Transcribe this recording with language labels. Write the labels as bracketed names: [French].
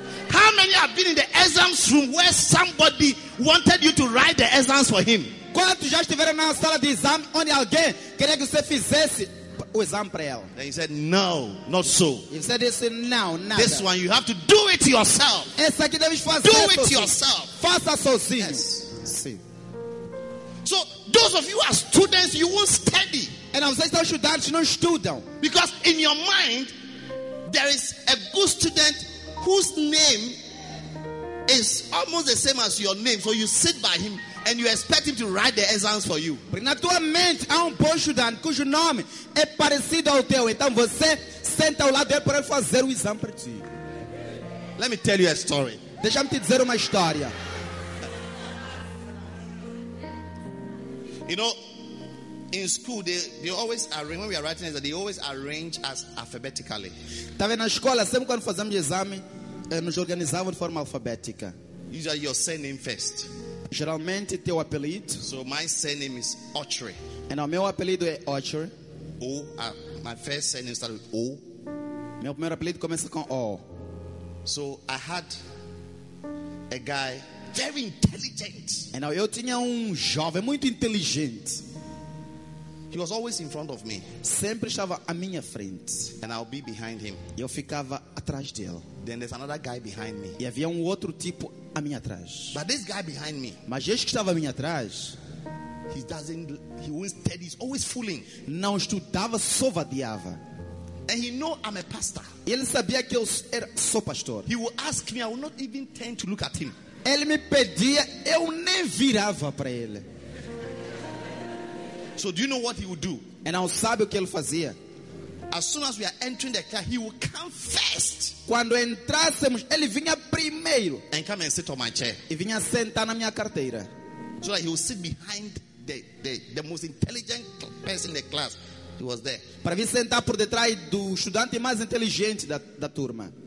[English] How many have been in the exams room where somebody wanted you to write the exams for him? [Portuguese] Quantos já estiveram na sala de exame onde alguém queria que você fizesse o exame para ela? [English] Then he said, no, not so. He said, this is now, nada. This one, you have to do it yourself. [Portuguese] Essa aqui deve fazer. [English] Do it yourself. [Portuguese] Faça sozinho. [English] Yes. [Portuguese] Sim. [English] So, those of you who are students, you won't study. And I'm saying, don't you dance, you don't study. Because in your mind, there is a good student whose name is almost the same as your name. So you sit by him. And you expect him to write the exams for you. [Portuguese] Porque na tua mente há bom estudante cujo nome é parecido ao teu. Então você senta ao lado dele para ele fazer o exame para ti. [English] Let me tell you a story. [Portuguese] Deixa-me te dizer uma história. [English] You know, in school they always arrange, when we are writing exams, they always arrange us alphabetically. [Portuguese] Tá vendo, na escola sempre quando fazemos exame, nos organizavam de forma alfabética. [English] Usually your surname first. [Portuguese] Geralmente teu apelido. [English] So my surname is Autry. [Portuguese] And o meu apelido é Autry. [English] O, my first surname starts with O. [Portuguese] Meu primeiro apelido começa com O. [English] So I had a guy very intelligent. And now [Portuguese] eu tinha jovem muito inteligente. [English] He was always in front of me. [Portuguese] Sempre estava à minha frente. [English] And I'll be behind him. [Portuguese] E eu ficava atrás dele. [English] Then there's another guy behind me. [Portuguese] E havia outro tipo à minha atrás. [English] But this guy behind me, [Portuguese] mas este que estava à minha atrás, [English] he was steady, he's always fooling. [Portuguese] Não estudava, só vadiava. [English] And he know I'm a pastor. [Portuguese] Ele sabia que eu era só pastor. [English] He will ask me, I will not even tend to look at him. [Portuguese] Ele me pedia, eu nem virava para ele. [English] So do you know what he would do? [Portuguese] E não sabe o que ele fazia? [English] As soon as we are entering the car, he will come first. [Portuguese] Quando entrássemos, ele vinha primeiro. [English] And come and sit on my chair. [Portuguese] E vinha sentar na minha carteira. [English] So that he will sit behind the most intelligent person in the class. He was there. [Portuguese] Para vir sentar por detrás do estudante mais inteligente da turma.